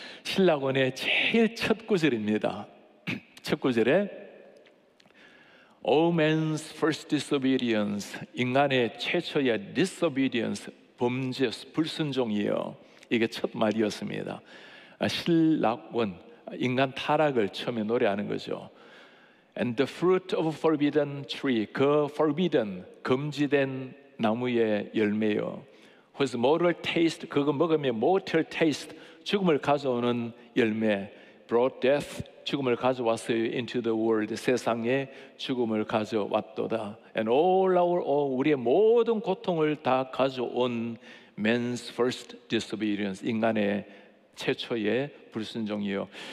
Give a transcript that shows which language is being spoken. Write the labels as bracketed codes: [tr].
[ko] 신라곤의 제일 첫 구절입니다. 첫 구절에 [en] All man's first disobedience, [ko] 인간의 최초의 disobedience, 범죄, 불순종이요. 이게 첫 말이었습니다. 신라곤, 인간 타락을 처음에 노래하는 거죠. [en] And the fruit of forbidden tree, 그 forbidden, [ko] 금지된 나무의 열매요. [en] Whose mortal taste, [ko] 그거 먹으면 mortal taste, 죽음을 가져오는 열매, [en] brought death, [ko] 죽음을 가져왔어요. [en] Into the world, [ko] 세상에 죽음을 가져왔도다. [en] And all our, all, [ko] 우리의 모든 고통을 다 가져온 [en] man's first disobedience, [ko] 인간의 최초의 불순종이요.